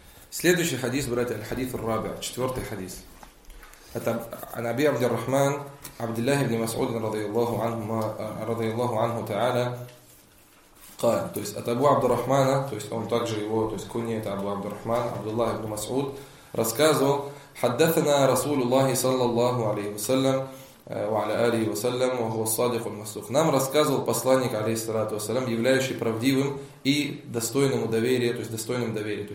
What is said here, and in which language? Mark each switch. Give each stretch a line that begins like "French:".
Russian: Следующий хадис, братья, аль-хадис ар-рабиъ, четвертый хадис. Это
Arabic: عن أبي عبد الرحمن عبد الله بن مسعود رضي الله عنه تعالى قال.
Russian: То есть от Абу Абдур-Рахмана, то есть он также его, то есть кунья Абу Абдур-Рахман, Абдуллах ибн Масуд, рассказывал:
Arabic: حدثنا رسول الله صلى الله عليه وسلم وعلى آله وسلم وهو الصادق المصدوق.
Russian: Нам рассказывал посланник, алейхиссалату вассалям, являющий правдивым и достойному доверия, то есть достойным доверия.